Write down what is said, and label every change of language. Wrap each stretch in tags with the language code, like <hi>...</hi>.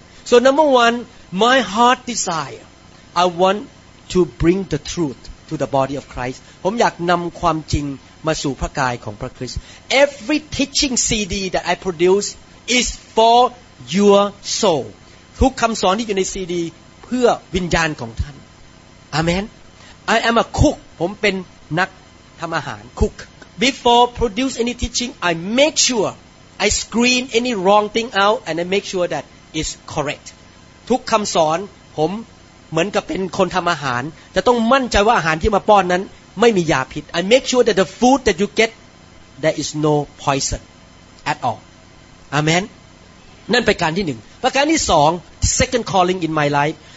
<en>so number one my heart desire I want to bring the truth to the body of Christ</en> <th>ผมอยากนำความจริงมาสู่พระกายของพระคริสต์</th> <en>every teaching CD that I produce is for your soul</en> <th>ทุกคำสอนที่อยู่ใน CD เพื่อวิญญาณของท่าน</th> <en>amenI am a cook.</en> <th>ผมเป็นนักทำอาหาร cook.</th> <en>Before produce any teaching, I make sure I screen any wrong thing out and I make sure that it's correct.</en> <th>ทุกคำสอนผมเหมือนกับเป็นคนทำอาหารจะต้องมั่นใจว่าอาหารที่มาป้อนนั้นไม่มียาพิษ</th> <en>I make sure that the food that you get there is no poison at all. Amen.</en> <th>นั่นเป็นการที่หนึ่งประการที่สอง</th> <en>second calling in my life.</en>